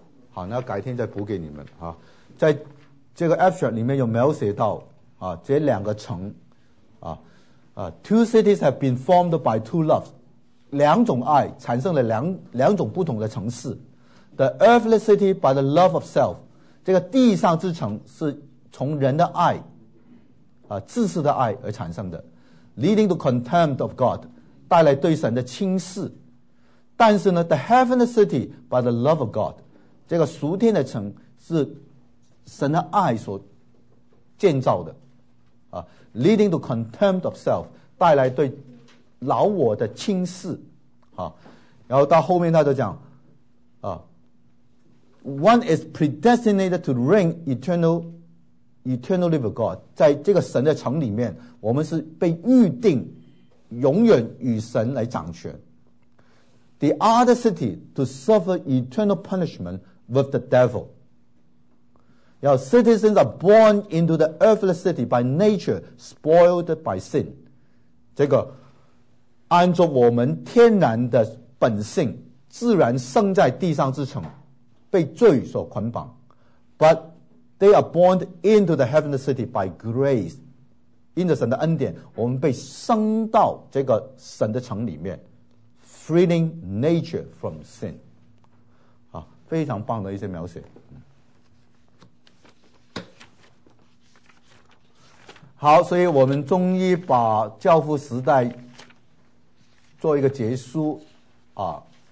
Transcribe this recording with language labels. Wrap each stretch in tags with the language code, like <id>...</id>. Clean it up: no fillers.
<zh>好，那改天再补给你们啊，在。这个 abstract 里面有描写到啊，这两个城啊，</zh> <en>two cities have been formed by two loves，</en> <zh>两种爱产生了两种不同的城市。</zh> <en>The earthly city by the love of self，</en> <zh>这个地上之城是从人的爱啊，自私的爱而产生的 ，</zh> <en>leading to contempt of God，</en> <zh>带来对神的轻视。但是呢 ，</zh> <en>the heavenly city by the love of God，</en> <zh>这个属天的城是神的爱所建造的，啊 ，</zh> <en>leading to contempt of self，</en> <zh>带来对老我的轻视，啊，然后到后面他就讲，啊</zh> <en>，one is predestinated to reign eternally with God，</en> <zh>在这个神的城里面，我们是被预定永远与神来掌权</zh> <en>，the other city to suffer eternal punishment with the devil。 Now, citizens are born into the earthly city by nature, spoiled by sin.</en> <zh>这个按照我们天然的本性，自然生在地上之城，被罪所捆绑。</zh> <en>But they are born into the heavenly city by grace.</en> <zh>因着神的恩典，我们被生到这个神的城里面，</zh> <en>freeing nature from sin.</en> <zh>啊，非常棒的一些描写。好，所以我们终于把教父时代做一个结束啊。</zh>